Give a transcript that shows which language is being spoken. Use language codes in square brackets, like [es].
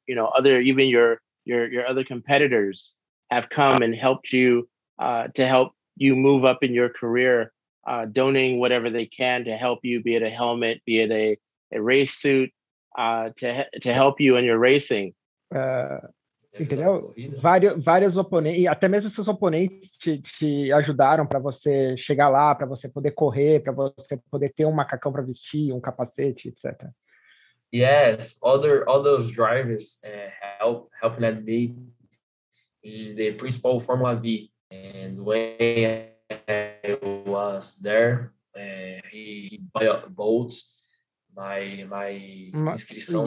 [en] You know, your other competitors have come and helped you to help you move up in your career, donating whatever they can to help you, be it a helmet, be it a race suit, to help you in your racing. [pt] Entendeu? Vários oponentes, e até mesmo seus oponentes te ajudaram para você chegar lá, para você poder correr, para você poder ter um macacão para vestir, um capacete, etc. [en] Yes, other drivers helping me in the principal Formula V. And when I was there, he bought my inscription.